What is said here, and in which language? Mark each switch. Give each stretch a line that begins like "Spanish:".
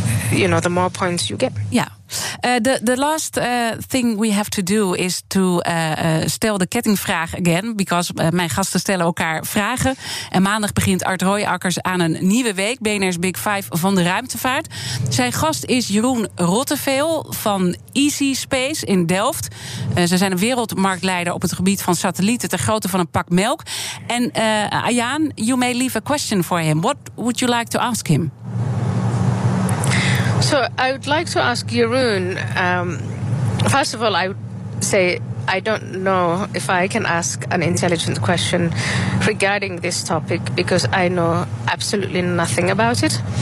English: you know, the more points you get. Yeah. The last thing we have to do is to
Dutch: stel de kettingvraag
English: again. Because
Dutch: mijn gasten stellen elkaar vragen. En maandag begint Art Rooijakkers aan een nieuwe week. BNR's Big Five van de ruimtevaart. Zijn gast is Jeroen Rotteveel van Easy Space in Delft. Ze zijn een wereldmarktleider op het gebied van satellieten ter grootte van een pak melk.
English: En Ayaan, you may leave a question for him. What would you like to ask him? So I would like to ask Jeroen, first of all, I would say I don't know if I can ask an intelligent question regarding this topic because I know absolutely nothing about it.